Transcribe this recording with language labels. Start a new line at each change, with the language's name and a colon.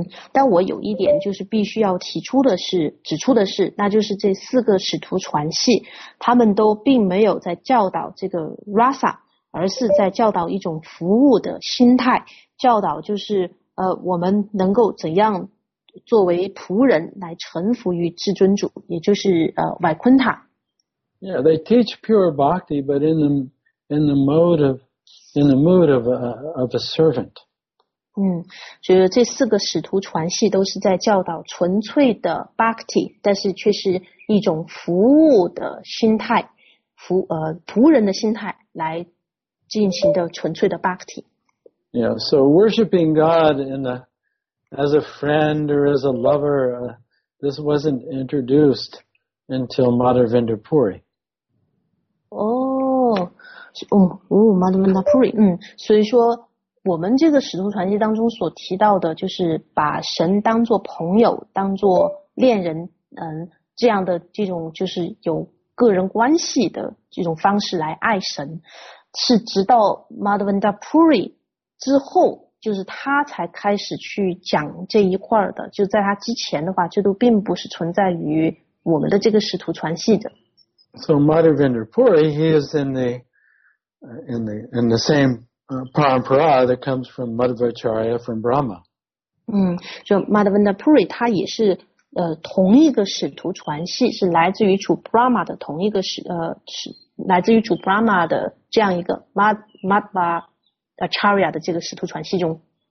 Chinese: 但我有一点就是必须要指出的是，那就是这四个使徒传系，他们都并没有在教导这个 rasa, 而是在教导一种服务的心态，教导就是我们能够怎样作为仆人来臣服于至尊主，也就是Vaikuntha。
English: Yeah, they teach pure bhakti, but in the mood of a servant.
Chinese: 就是这四个使徒传系都是在教导纯粹的 bhakti, 但是却是一种服务的心态，仆人的心态来进行的纯粹的 bhakti。
English: Yeah, so worshiping God as a friend or as a lover, this wasn't introduced until Madhavendra Puri. Madhavendra Puri.
Chinese: 所以说我们这个使徒传记当中所提到的就是把神当作朋友，当作恋人，这样的这种就是有个人关系的这种方式来爱神，是直到 Madhavendra Puri 之后，就是他才开始去讲这一块的，就在他之前的话，这都并不是存在于我们的这个使徒传系的。
English: So Madhavendra Puri, he is in the same parampara that comes from Madhvacharya from Brahma. So
Chinese: Madhavendra Puri, 他也是同一个使徒传系，是来自于主 Brahma 的同一个使是来自于主 Brahma 的这样一个 Madhva Acharya 的这个使徒传系中。